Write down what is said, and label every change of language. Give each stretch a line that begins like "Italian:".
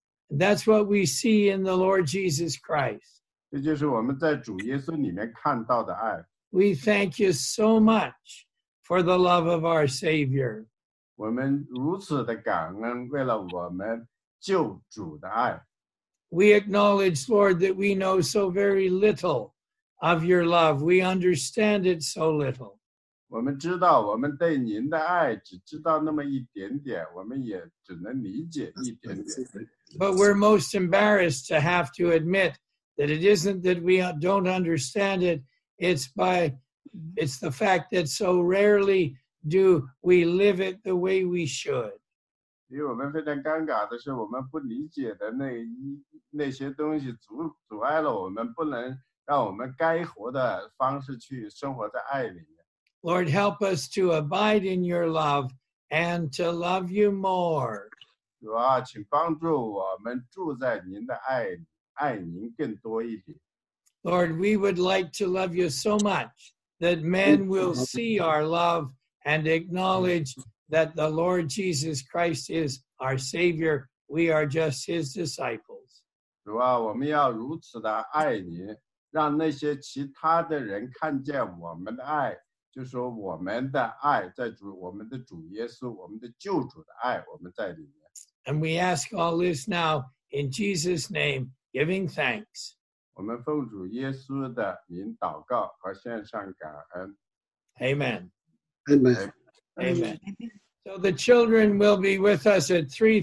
English: That's what we see in the Lord Jesus Christ.
Chinese: 这就是我们在主耶稣里面看到的爱。
English: We thank you so much for the love of our Savior.
Chinese: 我们如此的感恩为了我们救主的爱。
English: We acknowledge, Lord, that we know so very little of your love. We understand it so little.
Chinese: 我们知道我们对您的爱只知道那么一点点，我们也只能理解一点点。
English: But we're most embarrassed to have to admit that it isn't that we don't understand it, it's the fact that so rarely do we live it the way we should.
Chinese: 因为我们非常尴尬的是我们不理解的那些东西阻碍了我们不能让我们该活的方式去生活在爱里面。
English: Lord, help us to abide in your love and to love you more.
Chinese: 主啊，请帮助我们住在您的爱，爱您更多一点。
English: Lord, we would like to love you so much that men will see our love and acknowledge that the Lord Jesus Christ is our Savior. We are just his disciples.
Chinese: 主啊，我们要如此的爱你，让那些其他的人看见我们的爱，就说我们的爱在主，我们的主耶稣，我们的救主的爱，我们在里面。
English: And we ask all this now in Jesus' name, giving thanks.
Chinese: 我们奉主耶稣的名祷告和献上感恩。
English: Amen. Amen. Amen. So the children will be with us at 3:30.